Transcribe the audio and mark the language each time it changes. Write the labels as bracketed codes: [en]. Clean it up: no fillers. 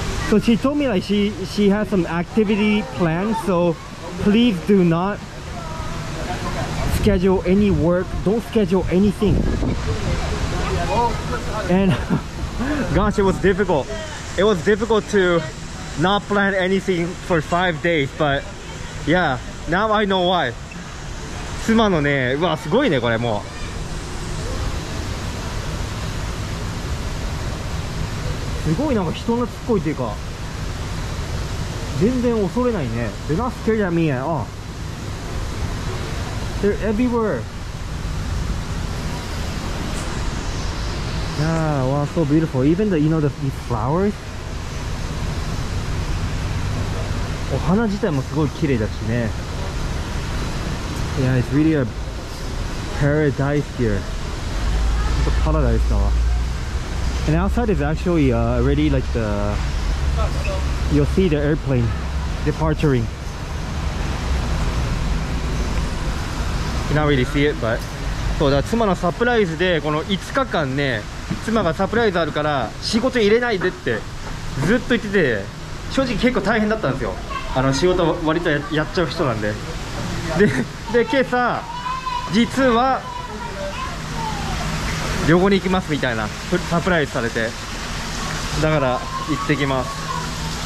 [en] So she told me like she has some activity planned, so please do not schedule any work, don't schedule anything. And gosh, it was difficult. It was difficult to not plan anything for 5 days, but yeah, now I know why. [ja] 妻のね、うわ、すごいね、これもう。すごいなんか人懐っこいっていうか全然恐れないね。 [en] They're not scared at me at all. They're everywhere. Yeah, wow, so beautiful. Even the, you know, the flowers. [ja] お花自体もすごい綺麗だしね。 [en] Yeah, it's really a paradise here. It's a paradise [ja] だわ。 [en] And outside is actually already like the, you'll see the airplane departuring. You don't really see it, but. [ja] そうだ、妻のサプライズでこの5日間ね、妻がサプライズあるから仕事入れないでってずっと言ってて、正直結構大変だったんですよ。あの仕事割と やっちゃう人なんで。で今朝実は旅行に行きますみたいなサプライズされて、だから行ってきます。